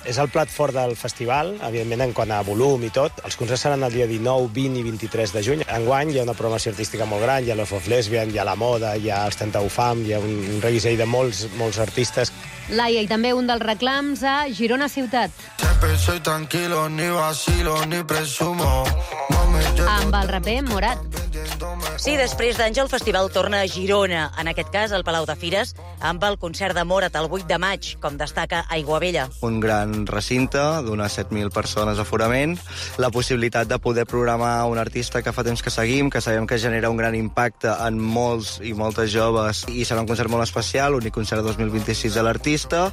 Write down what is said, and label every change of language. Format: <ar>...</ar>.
<ca>És el plat fort del festival, evidentment, en quant a volum i tot. Els concerts seran el dia 19, 20 i 23 de juny. Enguany hi ha una programació artística molt gran, hi ha Love of Lesbian, hi ha La Moda, hi ha els 31 Fam, hi ha un reguisell de molts artistes. Laia, i també un dels reclams a Girona Ciutat.</ca> <es>Siempre soy tranquilo, ni vacilo, ni presumo.</es> <ca>Amb el raper Morat. Sí, després d'anys el festival torna a Girona, en aquest cas al Palau de Fires, amb el concert de Morat el 8 de maig, com destaca Aiguabella. Un gran recinte d'unes 7.000 persones d'aforament, la possibilitat de poder programar un artista que fa temps que seguim, que sabem que genera un gran impacte en molts i moltes joves, i serà un concert molt especial, únic concert 2026 de l'artista.</ca>